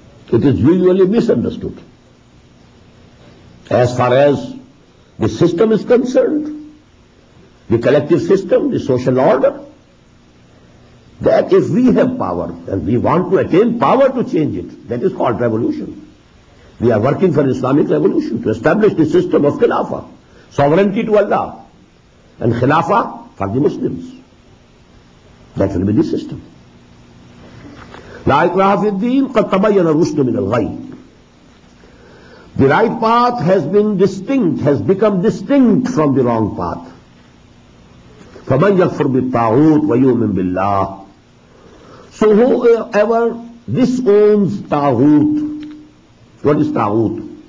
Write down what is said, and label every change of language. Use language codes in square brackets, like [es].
[en] It is usually misunderstood. As far as the system is concerned, the collective system, the social order, that if we have power and we want to attain power to change it, that is called revolution. We are working for Islamic revolution to establish the system of Khilafah, sovereignty to Allah, and Khilafah for the Muslims. That will be the system. [ar] لا إكراه في الدين قد تبين الرشد من الغي. [en] The right path has been distinct, has become distinct from the wrong path. [ar] فَمَنْ يَكْفُرْ بِالْطَاغُوتِ وَيُؤْمِنْ بِاللَّهِ. [en] So whoever disowns Taghut, what is Taghut?